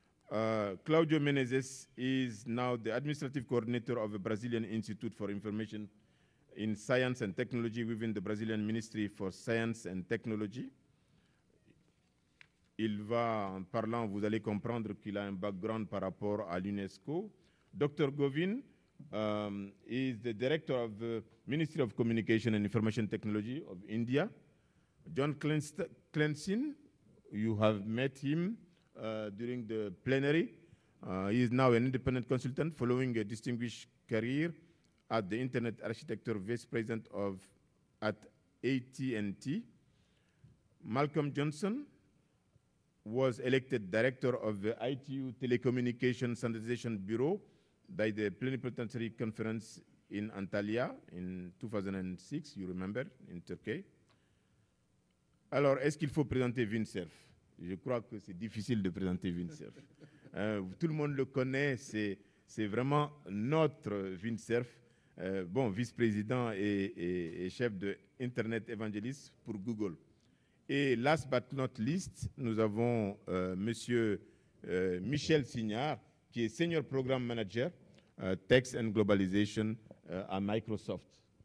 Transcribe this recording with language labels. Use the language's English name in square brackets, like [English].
[English] Claudio Menezes is now the Administrative Coordinator of the Brazilian Institute for Information in Science and Technology within the Brazilian Ministry for Science and Technology. [French] Il va, en parlant, vous allez comprendre qu'il a un background par rapport à l'UNESCO. [English] Dr. Govin is the Director of the Ministry of Communication and Information Technology of India. John Clensin, you have met him during the plenary. He is now an independent consultant following a distinguished career at the Internet Architecture Vice President at AT&T. Malcolm Johnson was elected Director of the ITU Telecommunication Standardization Bureau by the Plenipotentiary Conference in Antalya in 2006, you remember, in Turkey. [French] Alors, est-ce qu'il faut présenter Vinserf? Je crois que c'est difficile de présenter Vinserf. tout le monde le connaît, c'est vraiment notre Vinserf. Bon, vice-président et chef de Internet Evangelist pour Google. Et [English] last but not least, [French] nous avons Monsieur Michel Signard, qui est Senior Program Manager, Tech and Globalization à Microsoft.